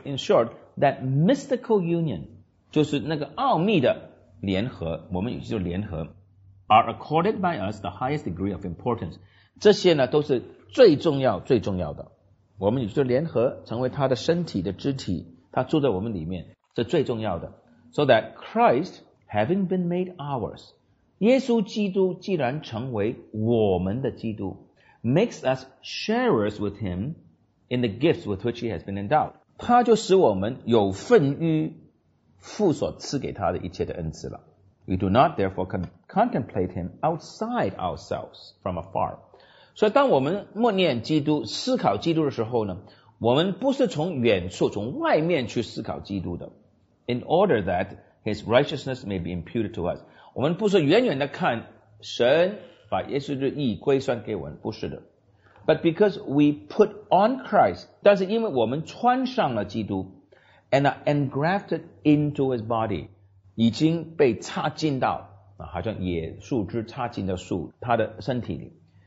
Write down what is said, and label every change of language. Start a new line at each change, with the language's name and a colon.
English: In short, that mystical union，
Chinese: 就是那个奥秘的联合，我们与基督联合。
English: Are accorded by us the highest degree of importance，
Chinese: 这些呢都是最重要最重要的。我们与基督联合成为他的身体的肢体，他住在我们里面，这最重要的。
English: So that Christ having been made ours，
Chinese: 耶稣基督既然成为我们的基督，
English: makes us sharers with him in the gifts with which he has been endowed.
Chinese: 他就使我们有份于父所赐给他的一切的恩赐了。
English: We do not therefore contemplate him outside ourselves from afar.
Chinese: 所以当我们默念基督，思考基督的时候呢，我们不是从远处，从外面去思考基督的。
English: In order that his righteousness may be imputed to us.
Chinese: 我们不是远远的看神把耶稣的义归算给我们，不是的。
English: But because we put on Christ，
Chinese: 但是因为我们穿上了基督，
English: and are engrafted into his body，
Chinese: 已经被插进到好像野树枝插进到树他的身体里。